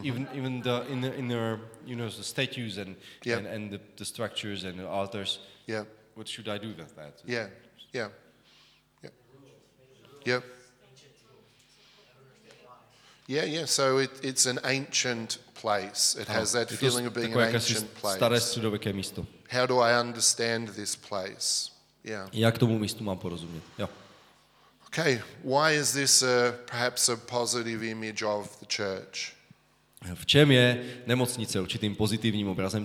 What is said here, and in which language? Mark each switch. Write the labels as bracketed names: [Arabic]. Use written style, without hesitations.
[English] even the inner you know the statues and yeah. And the structures and the altars. Yeah. What should I do with that? So it's an ancient place. It has that feeling of being an ancient place. [Czech] Staré středověké místo. [English] How do I understand this place? Yeah. [Czech] Jak tomu místu mám porozumět? Jo. [English] Okay, why is this perhaps a positive image of the church? [Czech] V čem je nemocnice určitým pozitivním obrazem